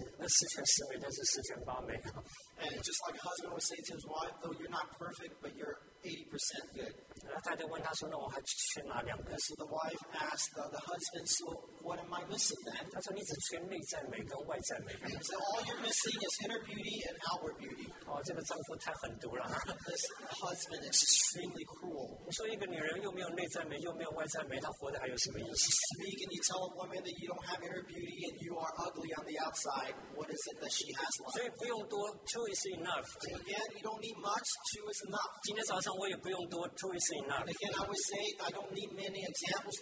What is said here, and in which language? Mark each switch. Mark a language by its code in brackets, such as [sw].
[zh] 就像一个先生曾经对他太太说：“你虽然不是十全八美，但是那十全十美，但是十全八美。”And [en] just like a husband would say to his wife, though you're not perfect, but you're 80% good. [zh] 太太问他说：“那我还缺哪两个？” [en] So the wife asked the husband, "So what am I missing then?" [zh] 他说：“你只缺内在美跟外在美。” [en] So all you're missing is inner beauty and outward beauty. [zh] 哦，这个丈夫太狠毒了。This [en] husband is extremely cruel. [zh] 我说一个女人又没有内在美又没有外在美，她活着还有什么意思？ [en] Speaking, you tell a woman that you don't have inner beauty and you are ugly on the outside. What is it that she has left? [zh] 所以不用多， [en] two is enough. So again, you don't need much. Two is enough. [zh] 今天早上我也不用多， [en] two is enough. Again, I would say I don't need many examples.